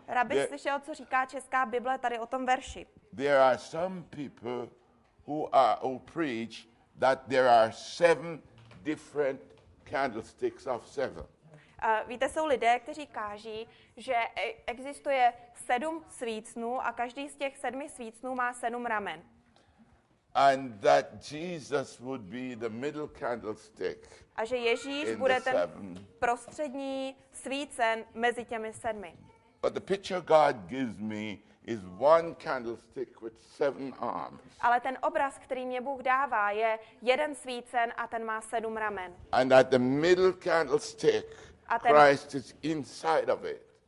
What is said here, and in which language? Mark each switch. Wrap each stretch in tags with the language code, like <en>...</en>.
<cs>Rabbi slyšel, co říká česká Bible tady o tom verši.</cs> <en>There are some people who preach that there are seven different candlesticks of seven.</en> <cs>Víte, jsou lidé, kteří káží, že existuje sedm svícnů a každý z těch sedmi svícnů má sedm ramen.</cs> <en>And that Jesus would be the middle candlestick.</en> <cs>A že Ježíš bude ten prostřední svícen mezi těmi sedmi.</cs> <en>But the picture God gives me is one candlestick with seven arms.</en> <cs>Ale ten obraz, který mě Bůh dává, je jeden svícen a ten má sedm ramen.</cs> <en>And at the middle candlestick, Christ is inside of it.</en>